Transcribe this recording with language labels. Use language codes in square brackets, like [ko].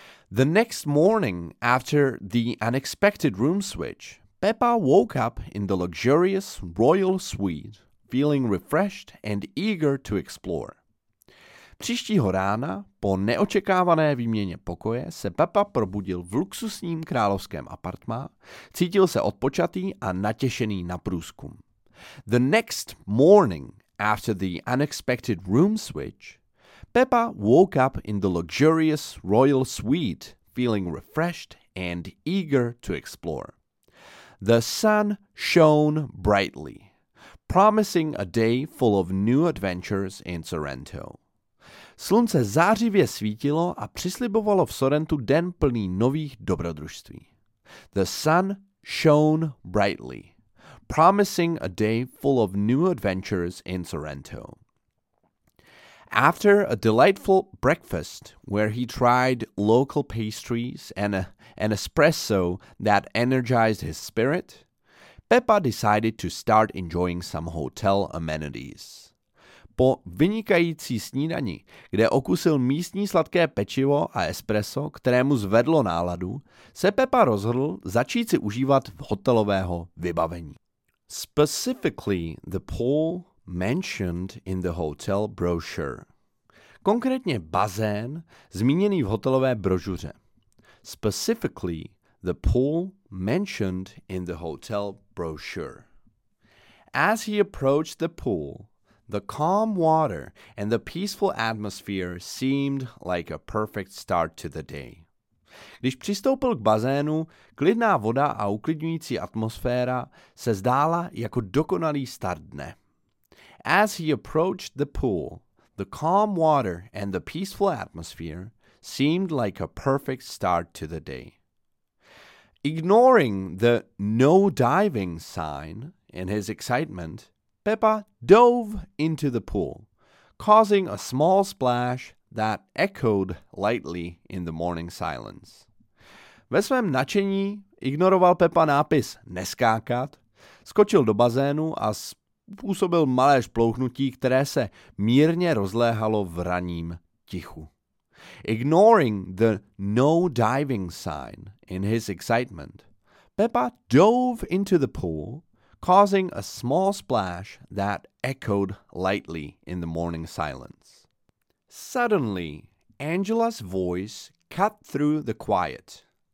[en] The next morning, after the unexpected room switch, Peppa woke up in the luxurious royal suite, feeling refreshed and eager to explore. [cs] Příštího rána, po neočekávané výměně pokoje, se Peppa probudil v luxusním královském apartmá, cítil se odpočatý a natěšený na průzkum. [en] The next morning, after the unexpected room switch, Peppa woke up in the luxurious royal suite, feeling refreshed and eager to explore. The sun shone brightly, promising a day full of new adventures in Sorrento. [cs] Slunce zářivě svítilo a přislibovalo v Sorrentu den plný nových dobrodružství. [en] The sun shone brightly, promising a day full of new adventures in Sorrento. After a delightful breakfast, where he tried local pastries and an espresso that energized his spirit, Peppa decided to start enjoying some hotel amenities. [cs] Po vynikající snídani, kde okusil místní sladké pečivo a espresso, kterému zvedlo náladu, se Peppa rozhodl začít si užívat hotelového vybavení. [en] Specifically, the pool mentioned in the hotel brochure. [cs] Konkrétně bazén zmíněný v hotelové brožuře. [en] Specifically, the pool mentioned in the hotel brochure. As he approached the pool, the calm water and the peaceful atmosphere seemed like a perfect start to the day. [cs] Když přistoupil k bazénu, klidná voda a uklidňující atmosféra se zdála jako dokonalý start dne. [en] As he approached the pool, the calm water and the peaceful atmosphere seemed like a perfect start to the day. Ignoring the no diving sign in his excitement, Peppa dove into the pool, causing a small splash that echoed lightly in the morning silence. [cs] Ve svém nadšení ignoroval Peppa nápis neskákat, skočil do bazénu a způsobil malé šplouchnutí, které se mírně rozléhalo v raním tichu. [en] Ignoring the no diving sign in his excitement, Peppa dove into the pool, causing a small splash that echoed lightly in the morning silence. Suddenly, Angela's voice cut through the quiet.